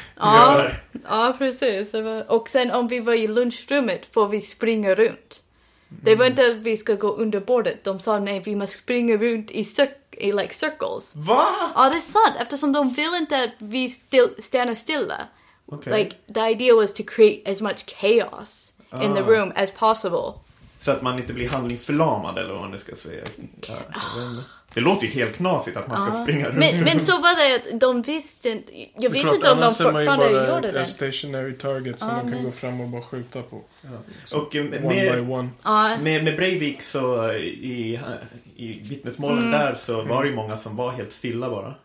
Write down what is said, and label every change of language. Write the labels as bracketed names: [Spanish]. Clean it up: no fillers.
[Swedish] Ja, precis. Och sen om vi var i lunchrummet får vi springa runt. Det var inte att vi ska gå under bordet. De sa nej, vi måste springa runt i [English] like circles. [Swedish] Va? Ja, det är sant. Eftersom de vill inte att vi stanna stilla. [English] Okay. Like, the idea was to create as much chaos in the room as possible. [Swedish] Så att man inte blir handlingsförlamad eller vad man ska säga. Ja, det låter ju helt knasigt att man ska springa runt. Men så var det att de visste inte. Jag vet inte om de fortfarande gjorde det. Det är ett [English] stationary target [Swedish] som de kan gå fram och bara skjuta på. Ja. Och med Breivik så i vittnesmålen där så var det ju många som var helt stilla bara.